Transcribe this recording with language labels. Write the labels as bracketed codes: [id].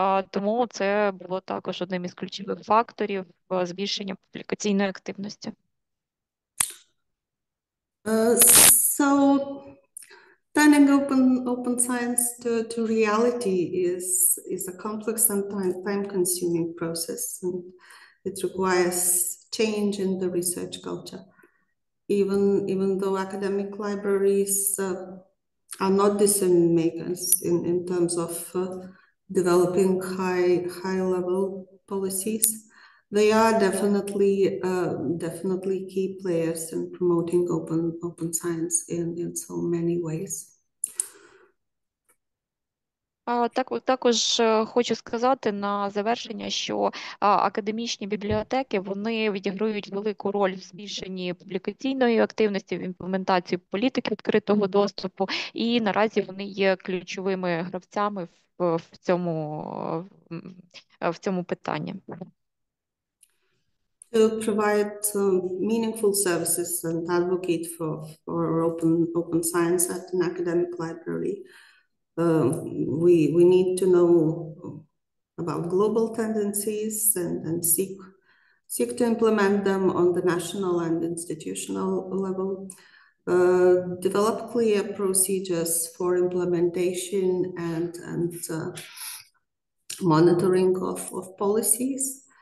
[uk] Тому це було також одним із ключових факторів збільшення публікаційної активності. [en] So turning open science to reality is a complex and time-consuming process, and it requires change in the research culture. Even though academic libraries are not decision makers in terms of developing high-level policies, they are definitely key players in promoting open science in so many ways. [uk] Також хочу сказати на завершення, що академічні бібліотеки, вони відіграють велику роль в збільшенні публікаційної активності, в імплементації політики відкритого доступу, і наразі вони є ключовими гравцями в цьому питанні. [en] To provide meaningful services and advocate for open science at an academic library, we need to know about global tendencies and seek to implement them on the national and institutional level, develop clear procedures for implementation and monitoring of policies.